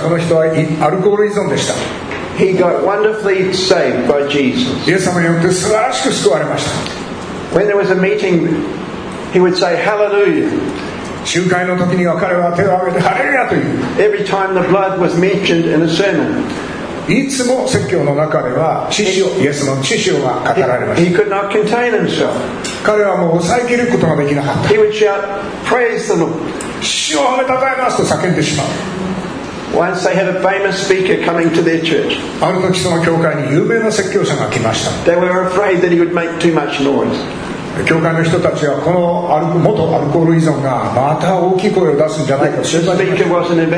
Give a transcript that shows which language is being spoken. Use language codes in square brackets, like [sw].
[ja] この人はアルコール依存でした。 [en] He got wonderfully saved by Jesus. [ja] イエス様によって素晴らしく救われました。 [en] When there was a meeting, he would say, Hallelujah. [ja] 集会の時には彼は手を挙げてハレルヤという。 [en] Every time the blood was mentioned in a sermon, [ja] いつも説教の中では血潮、イエスの血潮が語られました。 [en] He could not contain himself. [ja] 彼はもう抑えきることができなかった。 [en] He would shout, "Praise the Lord!" [ja] 主を褒めたたえますと叫んでしまう。 [en] Once they had a famous speaker coming to their church. [ja] ある時その教会に有名な説教者が来ました。 [en] They were afraid that he would make too much noise. [ja] 教会の人たちはこの元アルコール依存がまた大きい声を出すんじゃないかと心配しました。